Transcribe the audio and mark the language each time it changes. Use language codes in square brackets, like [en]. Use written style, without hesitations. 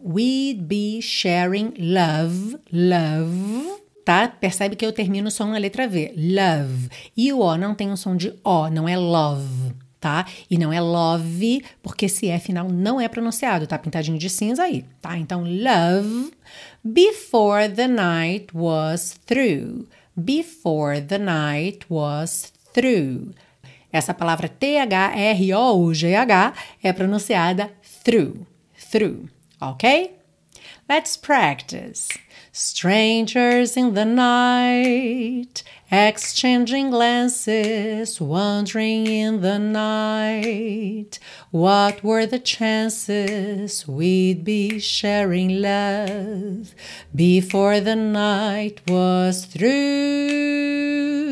[en] We'd be sharing love. Love. [pt] Tá? Percebe que eu termino o som na letra V. Love. E o O não tem um som de O, não é love. Tá? E não é love, porque esse E final não é pronunciado, tá pintadinho de cinza aí, tá? Então, [en] love, before the night was through, before the night was through. [pt] Essa palavra T-H-R-O-U-G-H é pronunciada through, through, ok? [en] Let's practice. Strangers in the night, exchanging glances, wandering in the night. What were the chances we'd be sharing love before the night was through?